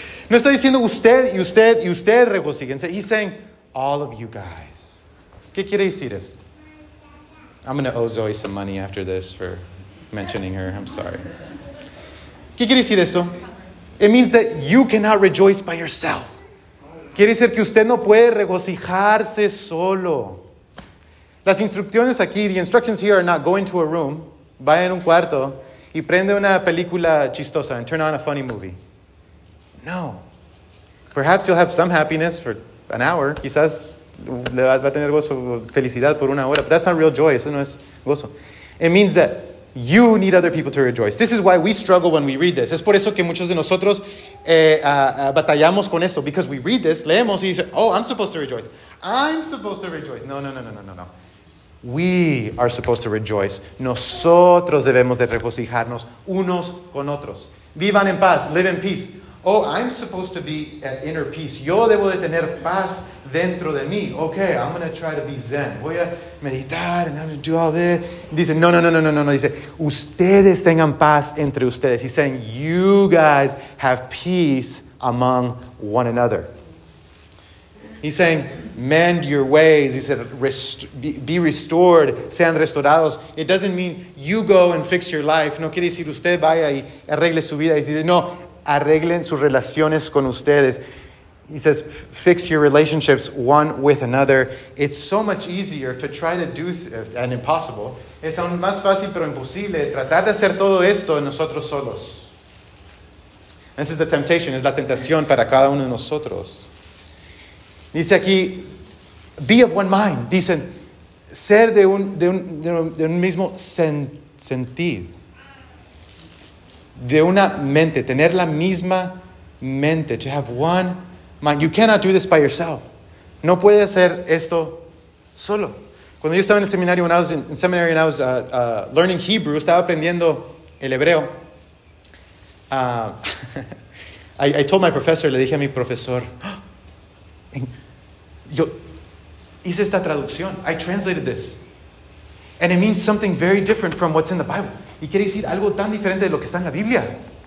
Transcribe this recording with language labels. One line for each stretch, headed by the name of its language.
Spanish: No está diciendo, usted y usted y usted regocíquense.
English: He's saying, all of you guys.
Spanish: ¿Qué quiere decir esto?
English: I'm going to owe Zoe some money after this for mentioning her. I'm sorry.
Spanish: ¿Qué quiere decir esto?
English: It means that you cannot rejoice by yourself.
Spanish: Quiere decir que usted no puede regocijarse solo. Las instrucciones aquí,
English: the instructions here are not go into a room,
Spanish: vaya en un cuarto y prende una película chistosa
English: and turn on a funny movie. No. Perhaps you'll have some happiness for an hour.
Spanish: Quizás le va a tener gozo, felicidad por una hora.
English: But that's not real joy.
Spanish: Eso no es gozo.
English: It means that you need other people to rejoice. This is why we struggle when we read this.
Spanish: Es por eso que muchos de nosotros batallamos con esto.
English: Because we read this,
Spanish: leemos y dice,
English: oh, I'm supposed to rejoice. I'm supposed to rejoice. No. We are supposed to rejoice.
Spanish: Nosotros debemos de regocijarnos unos con otros. Vivan en paz.
English: Live in peace. Oh, I'm supposed to be at inner peace.
Spanish: Yo debo de tener paz dentro de mí.
English: Okay, I'm going to try to be zen.
Spanish: Voy a meditar
English: and I'm going to do all this.
Spanish: Dice, no. Dice, ustedes tengan paz entre ustedes.
English: He's saying, you guys have peace among one another. He's saying, mend your ways. He said, be restored.
Spanish: Sean restaurados.
English: It doesn't mean you go and fix your life.
Spanish: No quiere decir usted vaya y arregle su vida. Dice, no. Arreglen sus relaciones con ustedes.
English: He says, fix your relationships one with another. It's so much easier to try to do and impossible.
Spanish: Es aún más fácil, pero imposible, tratar de hacer todo esto nosotros solos.
English: This is the temptation.
Spanish: Es la tentación para cada uno de nosotros. Dice aquí,
English: be of one mind.
Spanish: Dicen, ser de un mismo sentido. De una mente, tener la misma mente,
English: to have one mind. You cannot do this by yourself.
Spanish: No puede hacer esto solo. Cuando yo estaba en el seminario,
English: learning Hebrew,
Spanish: estaba aprendiendo el hebreo.
English: I told my professor,
Spanish: le dije a mi profesor, yo hice esta traducción,
English: I translated this. And it means something very different from what's in the Bible.
Spanish: Y quiere decir algo tan diferente de lo que está en la Biblia.